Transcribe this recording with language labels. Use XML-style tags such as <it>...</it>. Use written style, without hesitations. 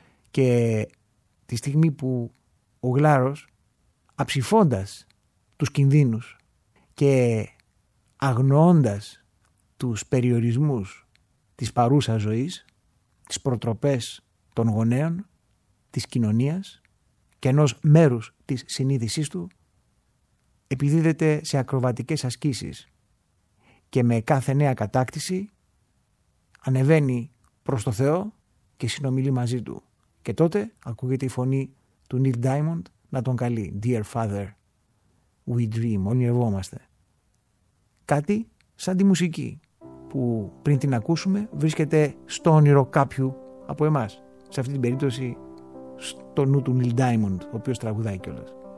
<el>Και τη στιγμή που ο Γλάρος, αψηφώντας τους κινδύνους και αγνοώντας τους περιορισμούς της παρούσας ζωής, τις προτροπές των γονέων, της κοινωνίας και ενός μέρους της συνείδησής του, επιδίδεται σε ακροβατικές ασκήσεις και με κάθε νέα κατάκτηση ανεβαίνει προς το Θεό και συνομιλεί μαζί του. Και τότε ακούγεται η φωνή του Νίλ Ντάιμοντ να τον καλεί.</el> <en>«Dear Father, we dream»,</en> <el>ονειρευόμαστε. Κάτι σαν τη μουσική που πριν την ακούσουμε βρίσκεται στο όνειρο κάποιου από εμάς. Σε αυτή την περίπτωση στο νου του Νίλ Ντάιμοντ, ο οποίος τραγουδάει κιόλας.</el>